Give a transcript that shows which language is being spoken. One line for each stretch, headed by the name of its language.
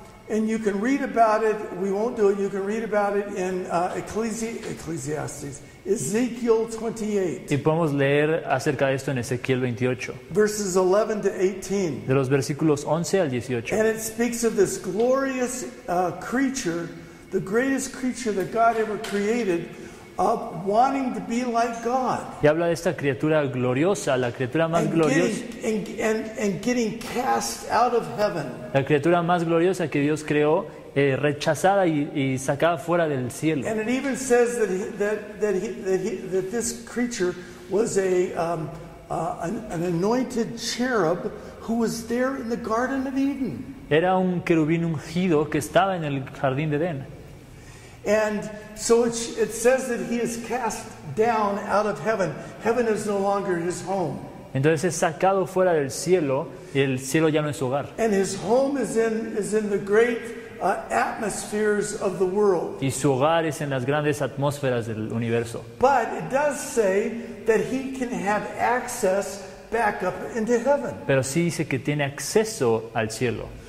English: And you can read about it. We won't do it. You can read about it in Ecclesiastes. Ezekiel 28.
Spanish: Y podemos leer acerca de esto en Ezequiel 28.
English: Verses 11 to 18.
Spanish: De los versículos 11 al 18.
English: And it speaks of this glorious creature, the greatest creature that God ever created, wanting to be like God.
Spanish: Y habla de esta criatura gloriosa, la criatura más gloriosa.
English: And getting cast out of heaven.
Spanish: La criatura más gloriosa que Dios creó. Rechazada y sacada fuera del cielo.
English: And it even says that this creature was a an anointed cherub who was there in the Garden of Eden.
Spanish: Era un querubín ungido que estaba en el jardín de Edén.
English: And so it says that he is cast down out of heaven. Heaven is no longer his home.
Spanish: Entonces es sacado fuera del cielo y el cielo ya no es su hogar.
English: And his home is in the great atmospheres of the world.
Spanish: Y su hogar es en las grandes atmósferas del universo.
English: But it does say that he can have access back up into heaven.
Spanish: Pero sí dice que tiene acceso al cielo.